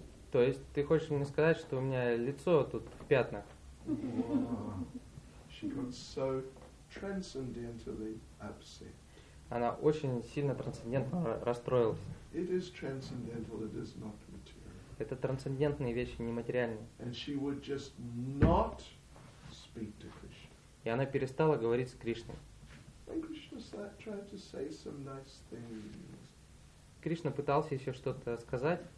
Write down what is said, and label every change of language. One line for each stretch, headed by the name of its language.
Russian: То есть ты хочешь мне сказать, что у меня лицо тут в пятнах?
English: She got so transcendentally upset.
Russian: Она очень сильно трансцендентно расстроилась.
English: It is transcendental, it is not material.
Russian: Это трансцендентные вещи, нематериальные.
English: And she would just not speak to Krishna.
Russian: И она перестала говорить с Кришной.
English: And Krishna tried to say some nice things.
Russian: Кришна пытался еще что-то сказать.